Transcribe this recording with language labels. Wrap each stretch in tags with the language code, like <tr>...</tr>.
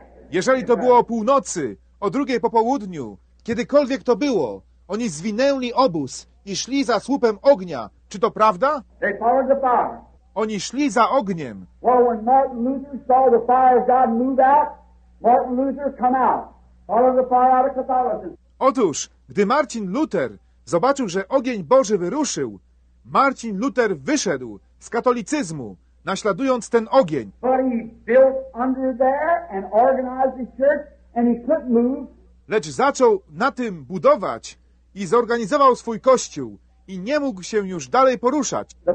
<pl>Jeżeli to było o północy, o drugiej po południu, kiedykolwiek to było, oni zwinęli obóz i szli za słupem ognia. Czy to prawda?</pl> <en>They followed the fire.</en> <pl>Oni szli za ogniem.</pl> <en>Well, when Martin Luther saw the fire of God move out, Martin Luther come out. Follow the fire out of Catholicism.</en> <pl>Otóż, gdy Martin Luther zobaczył, że ogień Boży wyruszył, Martin Luther wyszedł z katolicyzmu, naśladując ten ogień.</pl> <en>But he built under there and organized his church and he couldn't move.</en> <pl>Lecz zaczął na tym budować i zorganizował swój kościół i nie mógł się już dalej poruszać.</pl>